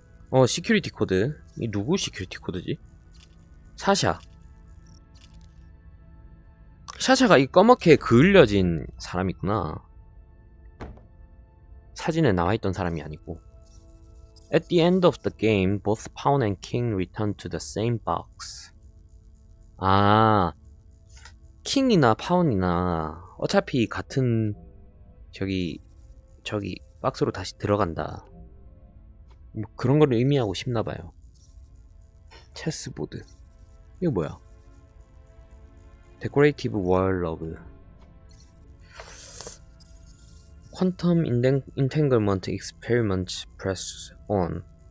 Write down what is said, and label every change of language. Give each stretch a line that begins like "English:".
Korean: 어, 시큐리티 코드. 이 누구 시큐리티 코드지? 사샤. 사샤가 이 검게 그을려진 사람 있구나. 사진에 나와있던 사람이 아니고.
English: At the end of the game, both Pawn and King return to the same box.
Korean: 아, 킹이나 파운이나 어차피 같은 저기 박스로 다시 들어간다. 뭐 그런 걸 의미하고 싶나 봐요.
English: 체스보드.
Korean: 이거 뭐야?
English: Decorative Wall of Quantum Entanglement Experiment Press On.